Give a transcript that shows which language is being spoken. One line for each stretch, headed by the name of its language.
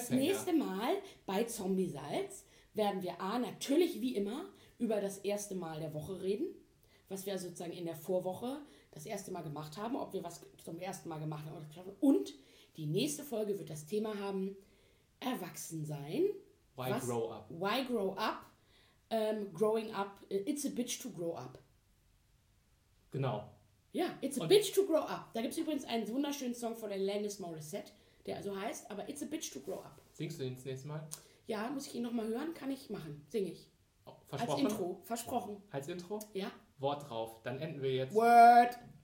German: Das nächste Mal bei Zombiesalz werden wir A, natürlich wie immer, über das erste Mal der Woche reden, was wir sozusagen in der Vorwoche das erste Mal gemacht haben, ob wir was zum ersten Mal gemacht haben oder geschafft haben. Und die nächste Folge wird das Thema haben, Erwachsensein.
English: Why grow up? Growing up, it's a bitch to grow up.
German: Genau.
English: Ja, it's a bitch to grow up.
German: Da gibt es übrigens einen wunderschönen Song von Alanis Morissette, der also heißt, aber
English: it's a bitch to grow up.
German: Singst du den das nächste Mal? Ja, muss ich ihn nochmal hören? Kann ich machen. Sing ich. Oh, versprochen? Als Intro. Versprochen. Als Intro? Ja. Wort drauf. Dann enden wir jetzt.
English: Word.